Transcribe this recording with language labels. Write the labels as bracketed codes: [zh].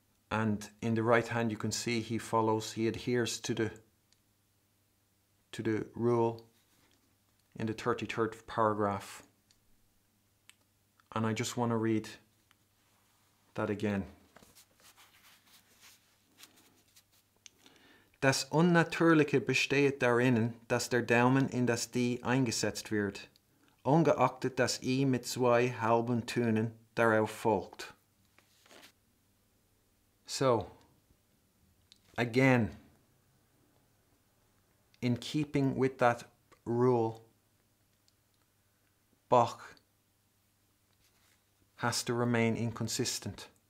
[en] And in the right hand you can see he adheres to the rule in the 33rd paragraph. And I just want to read that again. [de] Das Unnatürliche besteht darin, dass der Daumen in das D eingesetzt wird, ungeachtet das I mit zwei halben Tönen darauf folgt. [en] So, again, in keeping with that rule, Bach has to remain inconsistent.